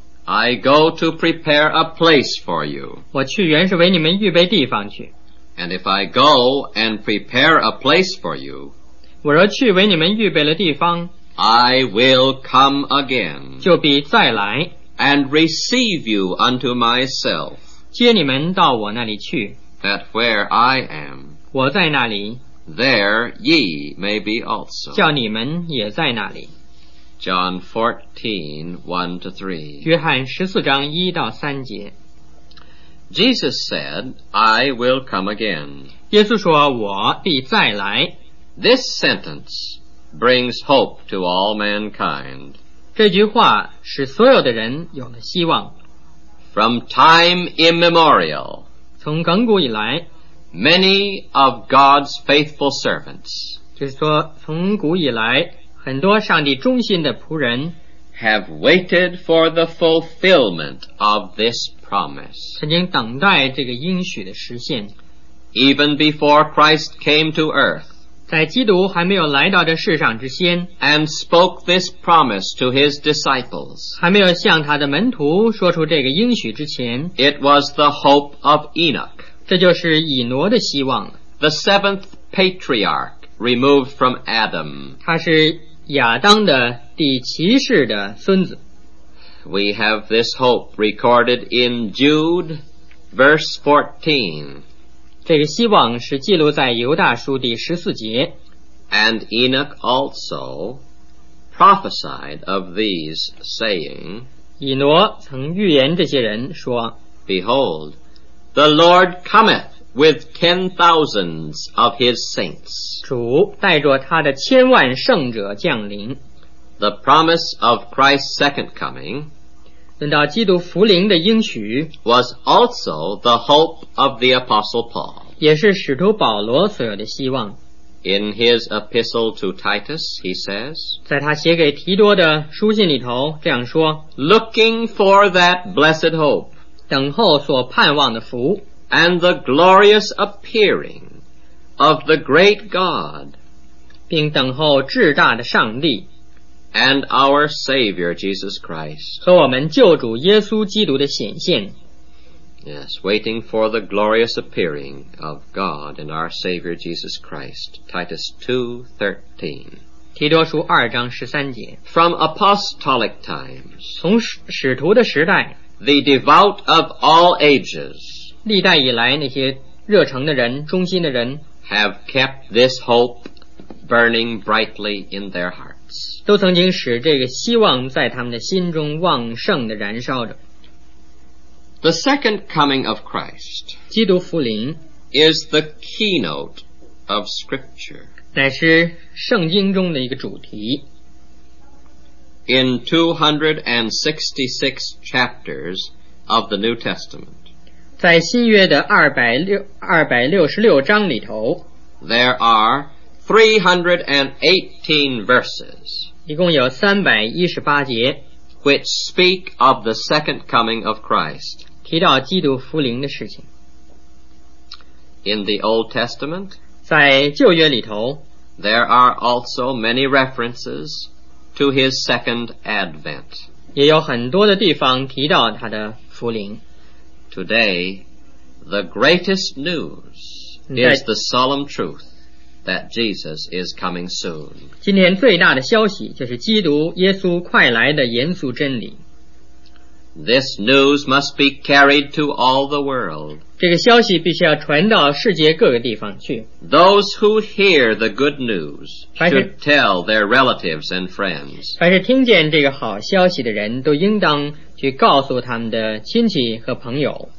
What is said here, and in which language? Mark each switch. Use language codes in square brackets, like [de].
[en] I go to prepare a place for you. [zh] 我去原是为你们预备地方去。 [en] And if I go and prepare a place for you, [zh] 我若去为你们预备了地方, [en] I will come again. [zh] 就必再来。 [en] And receive you unto myself. [zh] 接你们到我那里去 [en] that where I am, [zh] 我在那里 [en] there ye may be also, [zh] 叫你们也在那里 [en] John 14:1-3 [zh] 约翰十四章一到三节 [en] Jesus said, I will come again. [zh] 耶稣说我必再来 [en] This sentence brings hope to all mankind. [zh] 这句话使所有的人有了希望 [en] From time immemorial, [zh] 从亘古以来, [en] many of God's faithful servants, [zh] 就是说从古以来很多上帝忠心的仆人, [en] have waited for the fulfillment of this promise, [zh] 曾经等待这个应许的实现, [en] even before Christ came to earth, [zh] 在基督还没有来到这世上之先, [en] and spoke this promise to his disciples, [zh] 还没有向他的门徒说出这个应许之前, [en] it was the hope of Enoch, [zh] 这就是以挪的希望, [en] the seventh patriarch removed from Adam, [zh] 他是亚当的第七世的孙子。 [en] We have this hope recorded in Jude verse 14. [zh] 这个希望是记录在犹大书第十四节 [en] And Enoch also prophesied of these saying [zh] 以挪曾预言这些人说 [en] Behold, the Lord cometh with 10,000s of his saints [zh] 主带着他的千万圣者降临 [en] The promise of Christ's second coming [zh] 论到基督复临的应许 [en] was also the hope of the Apostle Paul [zh] 也是使徒保罗所有的希望 [en] In his epistle to Titus, he says [zh] 在他写给提多的书信里头这样说 [en] Looking for that blessed hope [zh] 等候所盼望的福 [en] And the glorious appearing of the great God [zh] 并等候至大的上帝 [en] and our Savior Jesus Christ. [zh] 和我们救主耶稣基督的显现。 [en] Yes, waiting for the glorious appearing of God and our Savior Jesus Christ. Titus 2:13. [zh] 提多书二章十三节。 [en] From apostolic times. [zh] 从使徒的时代。 [en] The devout of all ages. [zh] 历代以来那些热诚的人，忠心的人。 [en] Have kept this hope burning brightly in their hearts. [zh] 都曾经使这个希望在他们的心中旺盛的燃烧着。 [en] The second coming of Christ [zh] 基督复临 [en] is the keynote of Scripture. [zh] 乃是圣经中的一个主题。 [en] In 266 chapters of the New Testament, [zh] 在新约的266章里头 [en] there are 318 verses, [zh] 一共有318节 [en] which speak of the second coming of Christ. [zh] 提到基督复临的事情。 [en] In the Old Testament, [zh] 在旧约里头 [en] there are also many references to his second advent. [zh] 也有很多的地方提到他的复临。 [en] Today, the greatest news is the solemn truth that Jesus is coming soon. [zh] 今天最大的消息就是基督耶稣快来的严肃真理。 [en] This news must be carried to all the world. [zh] 这个消息必须要传到世界各个地方去。 [en] Those who hear the good news should tell their relatives and friends. [zh] 凡是听见这个好消息的人都应当去告诉他们的亲戚和朋友。